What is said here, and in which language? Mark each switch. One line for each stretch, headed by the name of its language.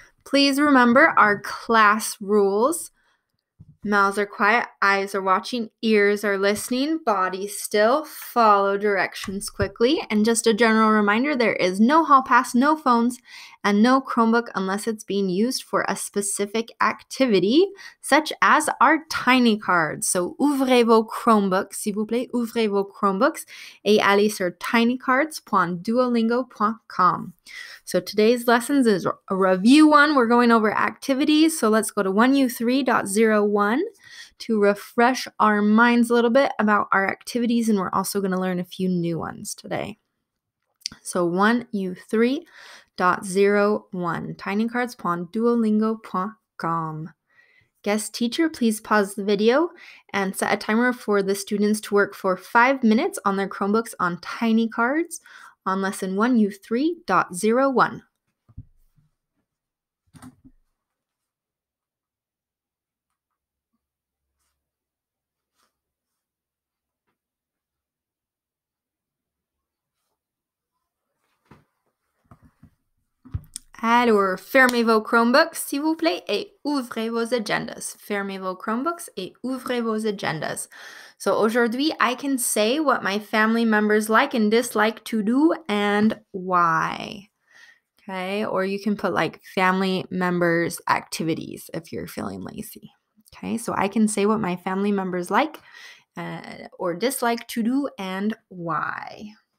English: Please remember our class rules. Mouths are quiet, eyes are watching, ears are listening, body still, follow directions quickly. And just a general reminder, there is no hall pass, no phones, and no Chromebook unless it's being used for a specific activity, such as our tiny cards.
French: So ouvrez vos Chromebooks, s'il vous plaît, ouvrez vos Chromebooks et allez sur tinycards.duolingo.com.
English: So today's lessons is a review one. We're going over activities. So let's go to 1U3.01 to refresh our minds a little bit about our activities. And we're also going to learn a few new ones today. So 1U3.01, tinycards.duolingo.com. Guest teacher, please pause the video and set a timer for the students to work for 5 minutes on their Chromebooks on tiny cards on lesson 1U3.01.
French: Alors, fermez vos Chromebooks, s'il vous plaît, et ouvrez vos agendas. Fermez vos Chromebooks et ouvrez vos agendas.
English: So
French: aujourd'hui,
English: I can say what my family members like and dislike to do and why. Okay, or you can put like family members' activities if you're feeling lazy. Okay, so I can say what my family members like or dislike to do and why.